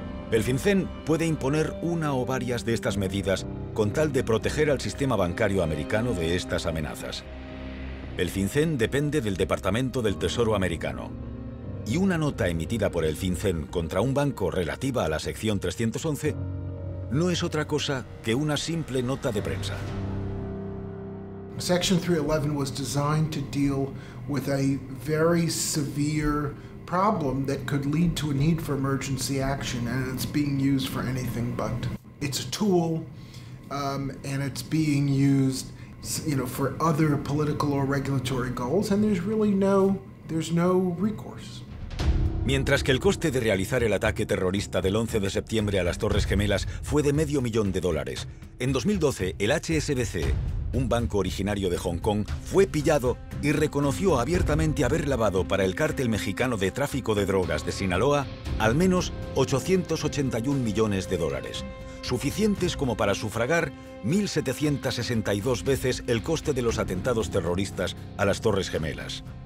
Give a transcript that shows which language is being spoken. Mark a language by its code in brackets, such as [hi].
[es] El FinCEN puede imponer una o varias de estas medidas con tal de proteger al sistema bancario americano de estas amenazas. El FinCEN depende del Departamento del Tesoro americano. Y una nota emitida por el FinCEN contra un banco relativa a la sección 311 no es otra cosa que una simple nota de prensa. [en] Section 311 was designed to deal with a very severe problem that could lead to a need for emergency action, and it's being used for anything but. It's a tool, and it's being used, you know, for other political or regulatory goals, and there's really no recourse. [es] Mientras que el coste de realizar el ataque terrorista del 11 de septiembre a las Torres Gemelas fue de $500,000, en 2012 el HSBC, un banco originario de Hong Kong, fue pillado y reconoció abiertamente haber lavado para el cártel mexicano de tráfico de drogas de Sinaloa al menos $881 millones, suficientes como para sufragar 1.762 veces el coste de los atentados terroristas a las Torres Gemelas.